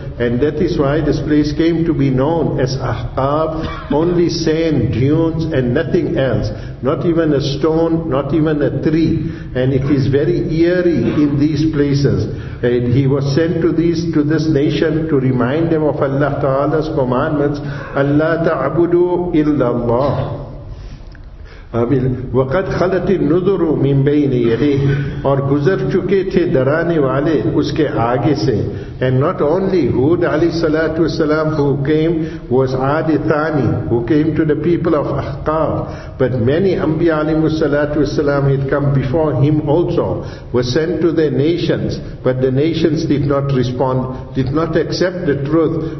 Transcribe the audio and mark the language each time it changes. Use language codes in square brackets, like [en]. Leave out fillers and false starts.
[en] And that is why this place came to be known as Ahqaf, only sand dunes and nothing else. Not even a stone, not even a tree. And it is very eerie in these places. And he was sent to this nation to remind them of Allah Ta'ala's commandments. [ar] Allah ta'abudu illallah. وَقَدْ خَلَتِ النُّذُرُ مِنْ بَيْنِ يَدَيْهِ, [ur] اور گزر چکے تھے درانے والے اس کے آگے سے. [en] And not only Hud alayhi salatu wasalam, who came, was Adi Thani, who came to the people of Ahqaf, but many Anbiya alayhi salatu wasalam had come before him also, were sent to their nations, but the nations did not respond, did not accept the truth.